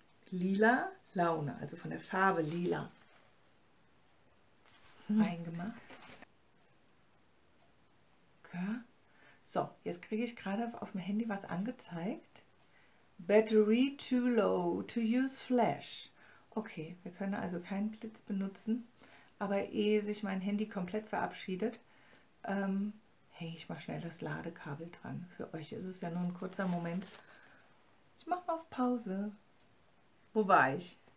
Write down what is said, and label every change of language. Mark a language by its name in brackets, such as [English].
[German] Lila Laune, also von der Farbe Lila. Reingemacht. Okay. So, jetzt kriege ich gerade auf dem Handy was angezeigt. [English] Battery too low to use flash. [German] Okay, wir können also keinen Blitz benutzen. Aber ehe sich mein Handy komplett verabschiedet, hänge ich mal schnell das Ladekabel dran. Für euch ist es ja nur ein kurzer Moment. Ich mache mal auf Pause. Wo war ich?